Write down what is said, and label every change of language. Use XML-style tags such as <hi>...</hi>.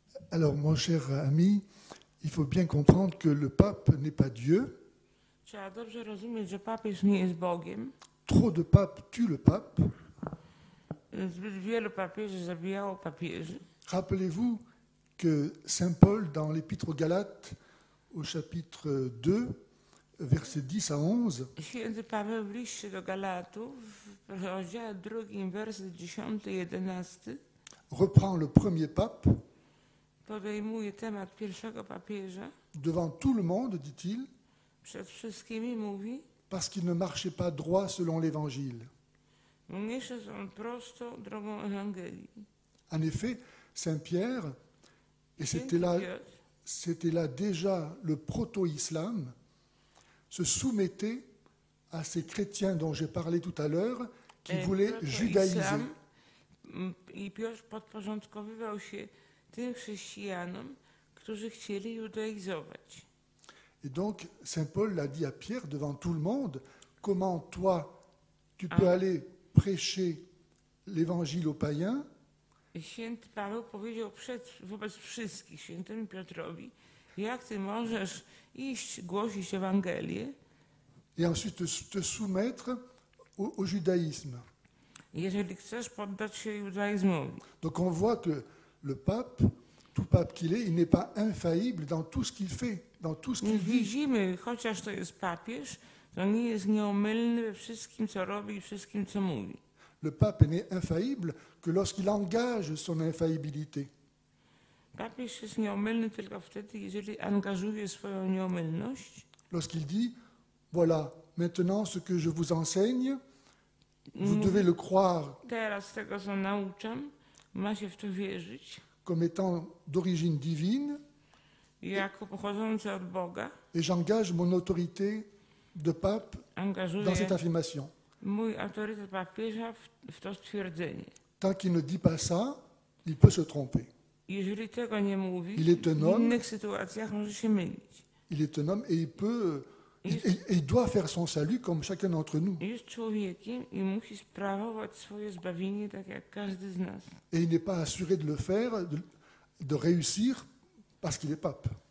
<fr>Alors, mon cher ami, il faut bien comprendre que le pape n'est pas Dieu.</fr> <pl>Trzeba dobrze rozumieć, że papież nie jest Bogiem.</pl> <fr>Trop de papes tuent le pape.</fr> <pl>Zbyt wielu papieży zabijało papieży.</pl> <fr>Rappelez-vous que Saint Paul, dans l'Épître aux Galates, au chapitre 2, verset 10 à 11.</fr> <pl>Święty Paweł w liście do Galatów, rozdział 2, werset 10 i 11.</pl> <fr>Reprend le premier pape.</fr> <pl>Podejmuje temat pierwszego papieża.</pl> <fr>Devant tout le monde, dit-il.</fr> <pl>Przed wszystkimi mówi.</pl> <fr>Parce qu'il ne marchait pas droit selon l'Évangile.</fr> <pl>Mniejsze są prosto drogą Ewangelii.</pl> <fr>En effet, Saint-Pierre, et c'était là déjà le proto-islam, se soumettait à ces chrétiens dont j'ai parlé tout à l'heure, qui voulaient judaïser.</fr> <pl>I Piotr podporządkowywał się tym chrześcijanom, którzy chcieli judaizować.</pl> <fr>Et donc, Saint-Paul l'a dit à Pierre devant tout le monde, comment toi, tu peux aller prêcher l'évangile aux païens?</fr> <pl>Święty Paweł powiedział wobec wszystkich, świętemu Piotrowi, jak ty możesz iść głosić Ewangelię?</pl> <fr>Et ensuite te soumettre au judaïsme.</fr> <pl>Jeżeli chcesz poddać się judaizmowi.</pl> <fr>Donc on voit que le pape, tout pape qu'il est, il n'est pas infaillible dans tout ce qu'il fait, dans tout ce qu'il vit.</fr> <pl>Widzimy, chociaż to jest papież, to nie jest nieomylny we wszystkim, co robi i wszystkim, co mówi.</pl> <fr>Le pape n'est infaillible que lorsqu'il engage son infaillibilité.</fr> <pl>Papież jest nieomylny tylko wtedy, jeżeli angażuje swoją nieomylność.</pl> <fr>Lorsqu'il dit, voilà, maintenant ce que je vous enseigne, vous devez le croire.</fr> <pl>Teraz tego, co nauczam, ma się w to wierzyć.</pl> <fr>Comme étant d'origine divine.</fr> <pl>Jako pochodzące od Boga.</pl> <fr>Et j'engage mon autorité de pape dans cette affirmation.</fr> <pl>Mój autorytet papieża w to stwierdzenie.</pl> <fr>Tant qu'il ne dit pas ça, il peut se tromper.</fr> <pl>Jeżeli tego nie mówi,</pl> <fr>il est un homme,</fr> <pl>w innych sytuacjach może się mylić.</pl> <fr>Il est un homme et il peut, il doit faire son salut comme chacun d'entre nous.</fr> <pl>Jest człowiekiem i musi sprawować swoje zbawienie tak jak każdy z nas.</pl> <fr>Et il n'est pas assuré de le faire, de réussir parce qu'il est pape.</fr>